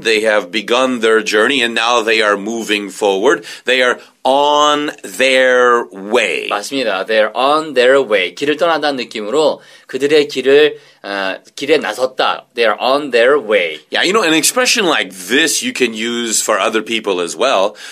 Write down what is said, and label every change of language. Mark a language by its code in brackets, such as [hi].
[en] They have begun their journey and now they are moving forward. They are on their way. [ko] 맞습니다. [en] They're on their way. [ko] 길을 떠난다는 느낌으로 그들의 길을 길에 나섰다. [en] They are on their way. Yeah, you know, an expression like this you can use for other people as well.